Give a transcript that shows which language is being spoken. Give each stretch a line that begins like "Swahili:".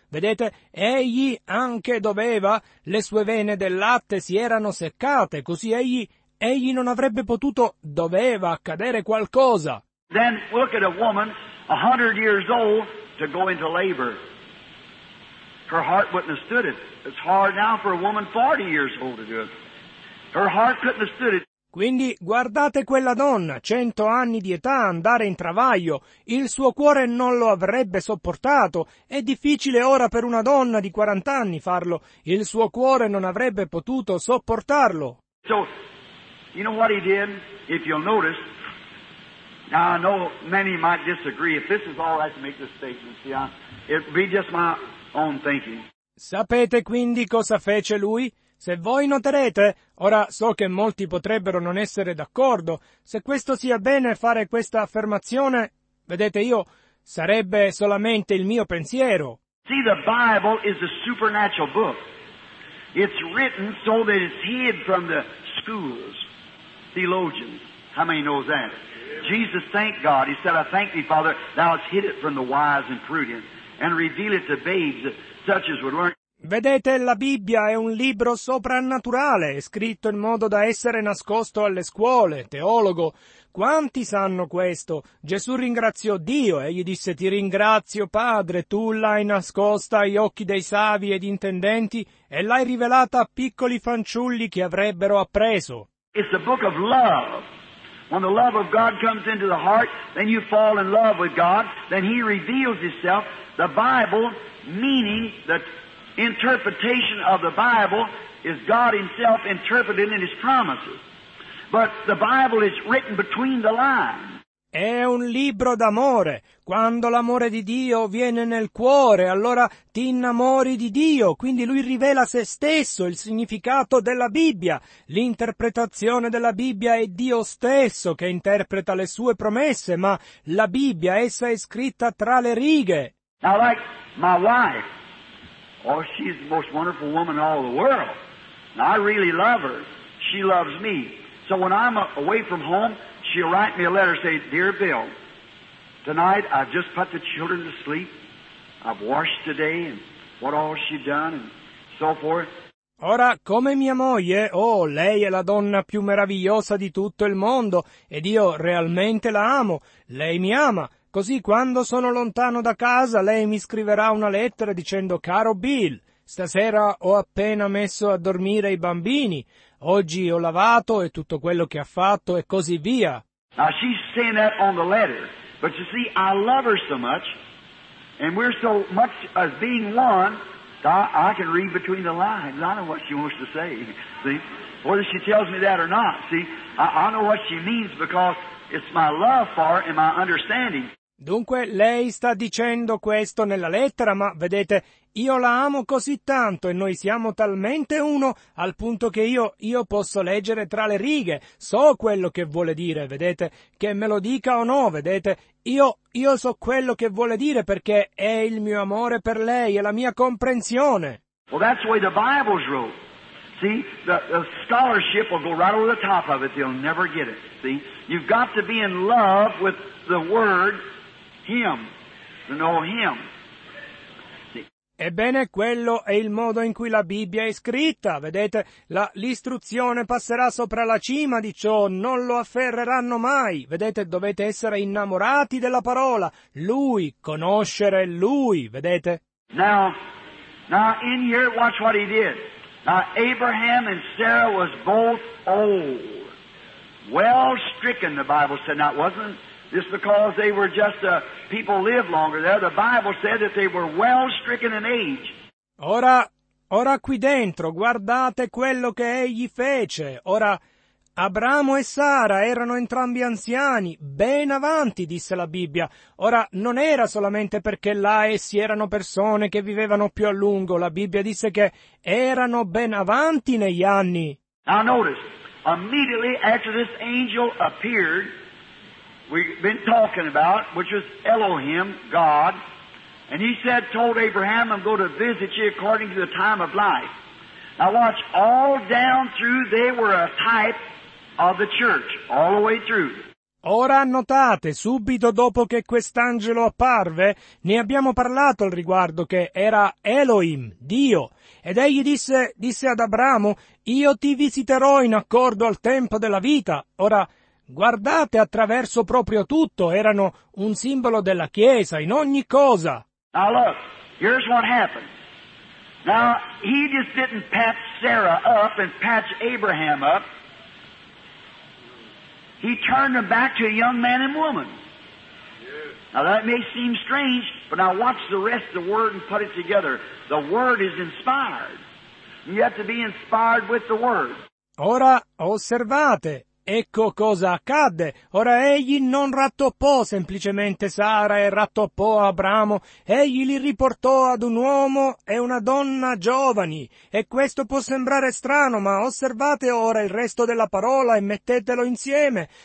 Italian: Vedete, egli anche doveva, le sue vene del latte si erano seccate, così egli non avrebbe potuto, doveva accadere qualcosa.
English: Then look at a woman, 100 years old, to go into labor. Her heart wouldn't have stood it. It's hard now for a woman 40 years old to do it. Her heart couldn't have stood it.
Italian: Quindi guardate quella donna, 100 anni di età, andare in travaglio. Il suo cuore non lo avrebbe sopportato. È difficile ora per una donna di 40 anni farlo. Il suo cuore non avrebbe potuto sopportarlo.
English: So, you know what he did? If you'll notice, now, I know many might disagree. If this is all I can make this statement, see, it would be just my own thinking.
Italian: Sapete quindi cosa fece lui? Se voi noterete, ora so che molti potrebbero non essere d'accordo, se questo sia bene fare questa affermazione, vedete, io sarebbe solamente il mio pensiero.
English: See, the Bible is a supernatural book. It's written so that it's hid from the schools, theologians. How many knows that? Jesus thanked God. He said, I thank thee, Father, thou hast hid it from the wise and prudent, and reveal it to babes such as would learn.
Italian: Vedete, la Bibbia è un libro soprannaturale, scritto in modo da essere nascosto alle scuole, teologo. Quanti sanno questo? Gesù ringraziò Dio e gli disse, ti ringrazio, Padre, tu l'hai nascosta agli occhi dei savi ed intendenti e l'hai rivelata a piccoli fanciulli che avrebbero appreso.
English: It's the book of love. When the love of God comes into the heart, then you fall in love with God. Then He reveals Himself. The Bible, meaning the interpretation of the Bible, is God Himself interpreted in His promises. But the Bible is written between the lines.
Italian: È un libro d'amore. Quando l'amore di Dio viene nel cuore, allora ti innamori di Dio. Quindi Lui rivela se stesso, il significato della Bibbia. L'interpretazione della Bibbia è Dio stesso che interpreta le sue promesse, ma la Bibbia, essa è scritta tra le righe.
English: Now, like my wife, oh, she's the most wonderful woman in all the world. Now, I really love her. She loves me. So when I'm away from home, she'll write me a letter, say, Dear Bill, tonight I've just put the children to sleep. I've washed today and what all she's done and so forth.
Italian: Ora, come mia moglie, oh, lei è la donna più meravigliosa di tutto il mondo ed io realmente la amo. Lei mi ama. Così quando sono lontano da casa, lei mi scriverà una lettera dicendo, Caro Bill, stasera ho appena messo a dormire i bambini. Oggi ho lavato e tutto quello che ha fatto e così via.
English: Now she's saying that on the letter, but you see, I love her so much, and we're so much as being one, that I can read between the lines. I know what she wants to say, see, whether she tells me that or not, see, I know what she means because it's my love for her and my understanding.
Italian: Dunque, lei sta dicendo questo nella lettera, ma vedete, io la amo così tanto e noi siamo talmente uno al punto che io posso leggere tra le righe. So quello che vuole dire, vedete, che me lo dica o no, vedete, io so quello che vuole dire perché è il mio amore per lei, è la mia comprensione.
English: Well, that's the way the Bible's wrote. See, the scholarship will go right over the top of it, they'll never get it, see. You've got to be in love with the Word. Him, to know him.
Italian: Ebbene, quello è il modo in cui la Bibbia è scritta. Vedete, l'istruzione passerà sopra la cima di ciò, non lo afferreranno mai. Vedete, dovete essere innamorati della parola. Lui, conoscere Lui, vedete?
English: Now in here, watch what he did. Now, Abraham and Sarah was both old. Well stricken, the Bible said. Now, it wasn't just because they were just people lived longer there. The Bible said that they were well stricken in age.
Italian: Ora qui dentro, guardate quello che egli fece. Ora, Abramo e Sara erano entrambi anziani, ben avanti, disse la Bibbia. Ora, non era solamente perché là essi erano persone che vivevano più a lungo. La Bibbia disse che erano ben avanti negli anni.
English: Now notice, immediately after this angel appeared, we've been talking about, which is Elohim, God, and he said, told Abraham, I'm going to visit you according to the time of life. Now watch, all down through, they were a type of the church, all the way through.
Italian: Ora notate, subito dopo che quest'angelo apparve, ne abbiamo parlato al riguardo che era Elohim, Dio. Ed egli disse ad Abramo, io ti visiterò in accordo al tempo della vita. Ora, guardate attraverso proprio tutto, erano un simbolo della Chiesa in ogni cosa.
English: Now look, here's what happened. Now, he just didn't patch Sarah up and patch Abraham up. He turned them back to a young man and woman. Now that may seem strange, but now watch the rest of the Word and put it together. The Word is inspired. You have to be inspired with the Word.
Italian: Ora, osservate. Ecco cosa accadde. Ora egli non rattoppò semplicemente Sara e rattoppò Abramo. Egli li riportò ad un uomo e una donna giovani. E questo può sembrare strano, ma osservate ora il resto della parola e mettetelo insieme.